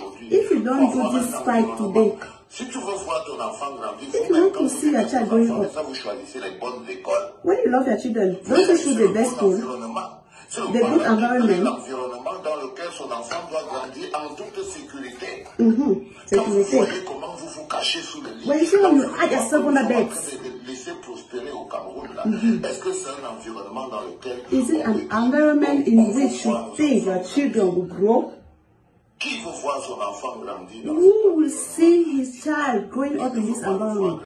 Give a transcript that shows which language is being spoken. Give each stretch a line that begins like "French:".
English: If you don't do this fight today, if you want to see your child growing up, when you love your children, don't you choose the best school, the good environment?
French: Son enfant doit grandir en toute sécurité. Quand vous voyez comment vous vous cachez sous le lit, quand vous voyez comment vous vous laissez prospérer au Cameroun, est-ce que c'est un environnement dans lequel
English: is it an environment in which you think your children will grow?
French: Qui veut voir son enfant grandir?
English: Who will see his child growing up in this environment?